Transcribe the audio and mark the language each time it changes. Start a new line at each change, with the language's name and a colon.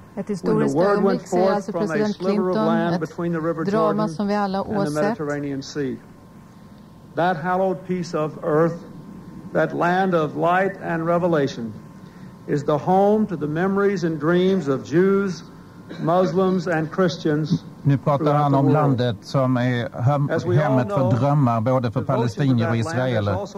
Swedish: ett historiskt ögonblick, säger alltså president Clinton, ett drama som vi alla åsett.
English: That hallowed piece of earth, that land of light and revelation, is the home to the memories and dreams of Jews, Muslims and Christians.
Swedish: Nu pratar han om landet som är hemmet för drömmar både för palestinier och israeler.